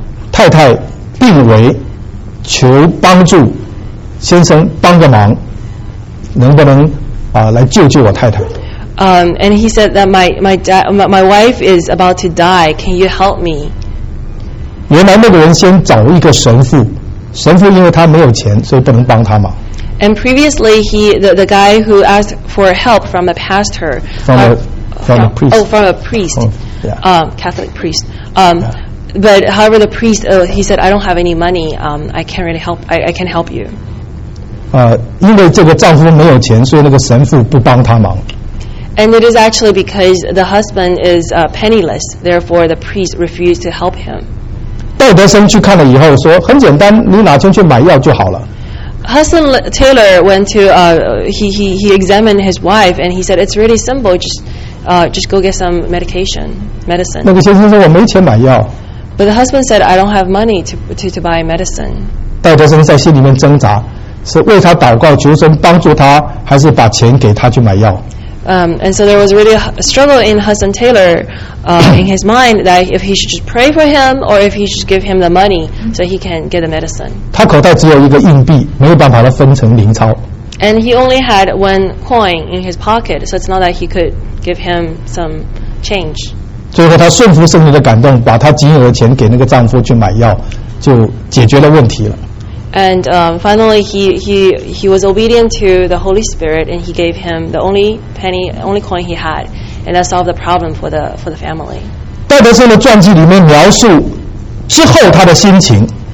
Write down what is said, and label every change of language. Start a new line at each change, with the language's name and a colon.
Chinese: 太太病危，求帮助，先生帮个忙，能不能来救救我太太？
English: And he said that my wife is about to die. Can you help me?
Chinese: 原来那个人先找一个神父。神父因为他没有钱，所以不能帮他嘛。
English: And previously, the guy who asked for help from a pastor, from a priest, Catholic priest. But however, the priest, he said, I don't have any money. I can't really help. I can help you.
Chinese: 因为这个丈夫没有钱，所以那个神父不帮他忙。
English: And it is actually because the husband is penniless, therefore the priest refused to help him.
Chinese: 戴德生去看了以后说很简单，你哪天去买药就好了。
English: Hudson Taylor went to he examined his wife and he said it's really simple, just go get some medicine.
Chinese: 那个先生说我没钱买药。
English: But the husband said I don't have money to buy medicine.
Chinese: 戴德生在心里面挣扎，是为他祷告求神帮助他，还是把钱给他去买药？
English: And so there was really a struggle in Hudson Taylor in his mind that if he should just pray for him or if he should give him the money so he can get the medicine.
Chinese: 他口袋只有一个硬币，没有办法分成零钞。
English: And he only had one coin in his pocket, so it's not that he could give him some change.
Chinese: 最后他顺服圣灵的感动，把他仅有的钱给那个丈夫去买药，就解决了问题了。
English: And finally, he was obedient to the Holy Spirit, and he gave him the only penny, only coin he had, and that solved the problem for the family.
Chinese: 戴德生的传记里面描述之后他的心情。